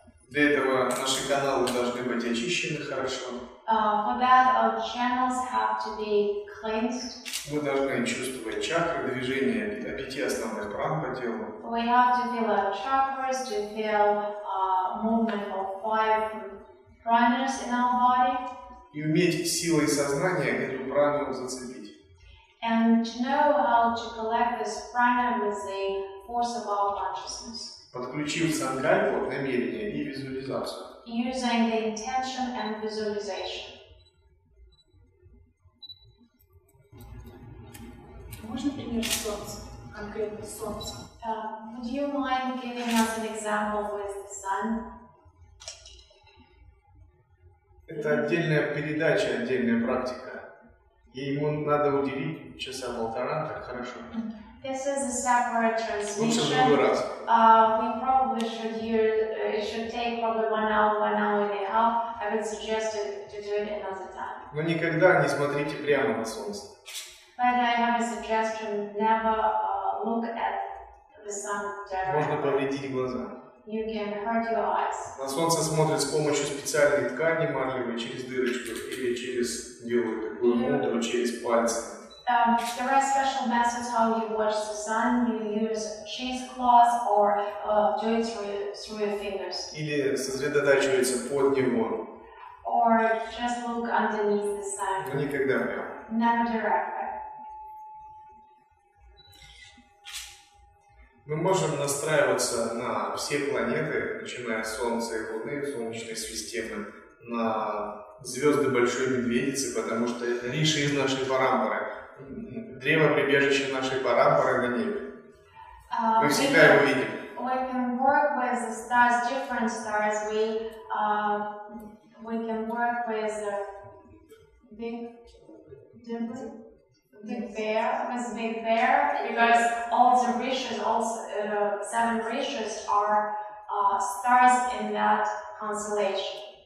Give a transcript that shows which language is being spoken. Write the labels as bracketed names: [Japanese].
[Russian] Для этого наши каналы должны быть очищены хорошо. [English] For that, our channels have to be cleansed. [Russian] Мы должны чувствовать чакры, движение пяти основных пран по телу. [English] We have to feel our chakras, to feel movement of five pranas in our body. [Russian] И уметь силой сознания эту прану зацепить. [English] And to know how to collect this prana with the force of our consciousness. [Russian] Подключив санкальпу, намерение и визуализацию. [English] Using the intention and visualization. [Russian] Можно пример солнца, конкретно солнца? [English] Would you mind giving us an example with the sun? [Russian] Это отдельная передача, отдельная практика. Ему надо уделить часа полтора, так хорошо. [English] This is a separate transmission. We probably should use. It should take probably 1 hour, 1.5 hours. I would suggest to do it another time. [Russian] Но никогда не смотрите прямо на солнце. [English] But I have a suggestion: never look at the sun directly. [Russian] Можно повредить глаза. [English] You can hurt your eyes. [Russian] На солнце смотрят с помощью специальной ткани марлевой через дырочку или через делают такую мудру через пальцы. [English] There are special methods how you watch the sun. You use cheesecloth or do it through your fingers. [Russian] Или сосредотачивается под него. [English] Or just look underneath the sun. [Russian] Но никогда не. [English] Never directly. [Russian] Мы можем настраиваться на все планеты, начиная с Солнца и Луны, Солнечной системы, на звезды Большой Медведицы, потому что это риши из нашей Парамбары. Древо прибежище нашей Парамбары на небе. Мы всегда его видим. [English] We can work with the stars, different stars. We can work with the big... The bear must be there because all the rishis, all seven rishis are stars in that constellation.